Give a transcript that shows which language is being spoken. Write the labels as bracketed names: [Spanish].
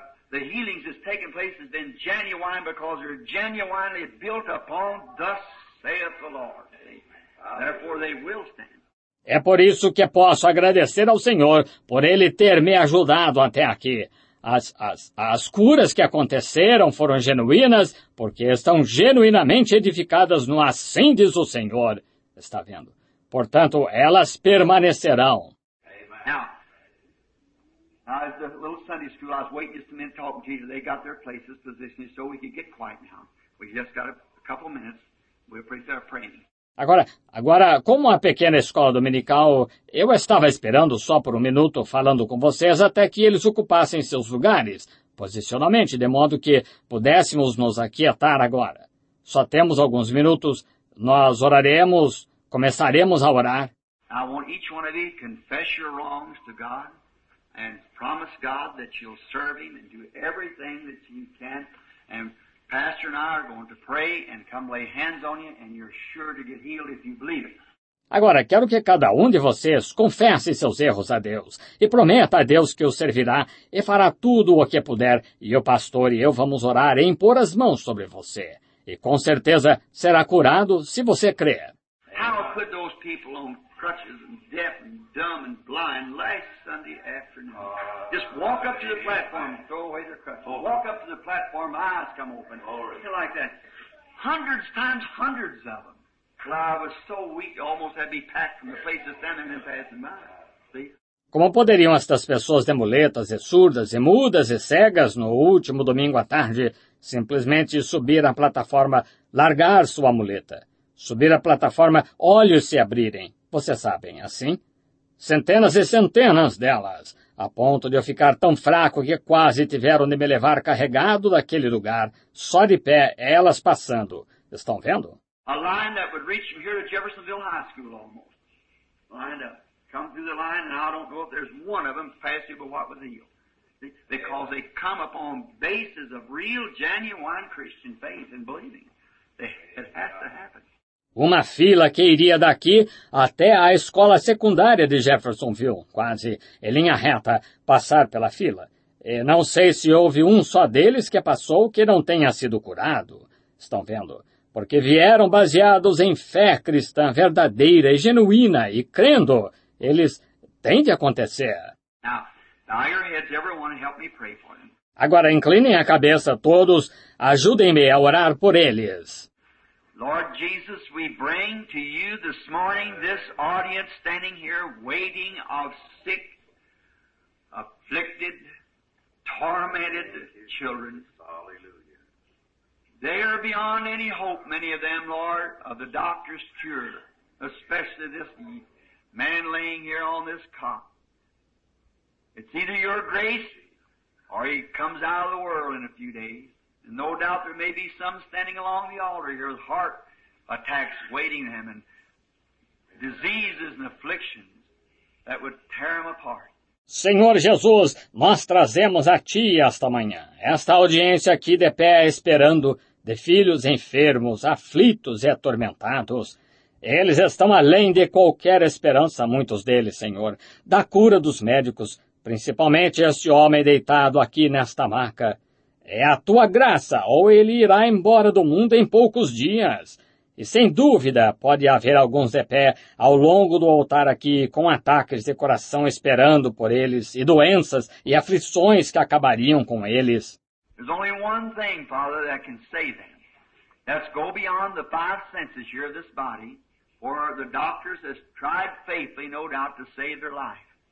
[English] The healings that's taken place has been genuine because they're genuinely built upon, thus saith the Lord. Therefore they will stand. [Portuguese] É por isso que posso agradecer ao Senhor por Ele ter me ajudado até aqui. As curas que aconteceram foram genuínas porque estão genuinamente edificadas no assim diz o Senhor. Está vendo? Portanto, elas permanecerão. [English] Now, as the little Sunday school, I was waiting just a minute talking to you. They got their places positioned so we could get quiet now. We just got a couple minutes. We'll pray our praying. [Portuguese] Agora, como a pequena escola dominical, eu estava esperando só por um minuto falando com vocês até que eles ocupassem seus lugares, posicionalmente, de modo que pudéssemos nos aquietar agora. Só temos alguns minutos. Nós oraremos, começaremos a orar. [English] I want each one of you to confess your wrongs to God and promise God that you'll serve Him and do everything that you can. And Pastor and I are going to pray and come lay hands on you, and you're sure to get healed if you believe it. [Portuguese] Agora, quero que cada um de vocês confesse seus erros a Deus e prometa a Deus que o servirá e fará tudo o que puder. E o pastor e eu vamos orar e impor as mãos sobre você. E com certeza será curado se você crer. [English] How could those people on crutches and deaf and dumb and blind last Sunday afternoon? Just walk up to the platform and throw away their crutches. Oh. Walk up to the platform, eyes come open. Something like that. Hundreds times hundreds of them. Well, I was so weak, almost had to be packed from the place of standing and passing by. See? [Portuguese] Como poderiam estas pessoas de muletas e surdas e mudas e cegas no último domingo à tarde simplesmente subir a plataforma, largar sua muleta? Subir a plataforma, olhos se abrirem. Vocês sabem, assim? Centenas e centenas delas, a ponto de eu ficar tão fraco que quase tiveram de me levar carregado daquele lugar, só de pé, elas passando. Estão vendo? [English] A line that would reach from here to Jeffersonville High School, almost. Lined up. Come through the line, and I don't know if there's one of them past you, but what would heal? Because they come upon bases of real, genuine Christian faith and believing. It has to happen. [Portuguese] Uma fila que iria daqui até a escola secundária de Jeffersonville, quase em linha reta, passar pela fila. E não sei se houve um só deles que passou que não tenha sido curado. Estão vendo? Porque vieram baseados em fé cristã verdadeira e genuína e crendo. Eles têm de acontecer. [English] Now your heads, everyone, help me pray for them. [Portuguese] Agora inclinem a cabeça todos, ajudem-me a orar por eles. [English] Lord Jesus, we bring to you this morning this audience standing here waiting of sick, afflicted, tormented children. Hallelujah. They are beyond any hope, many of them, Lord, of the doctor's cure, especially this man laying here on this cot. It's either your grace or he comes out of the world in a few days. No doubt there may be some standing along the altar here with heart attacks waiting him and diseases and afflictions that would tear him apart. [Portuguese] Senhor Jesus, nós trazemos a Ti esta manhã, esta audiência aqui de pé esperando de filhos enfermos, aflitos e atormentados. Eles estão além de qualquer esperança, muitos deles, Senhor, da cura dos médicos, principalmente este homem deitado aqui nesta maca. É a Tua graça, ou ele irá embora do mundo em poucos dias. E sem dúvida, pode haver alguns de pé ao longo do altar aqui, com ataques de coração esperando por eles, e doenças e aflições que acabariam com eles. [English] There's only one thing, Father, that can save them. That's go beyond the five senses here of this body, where the doctors have tried faithfully, no doubt, to save their life.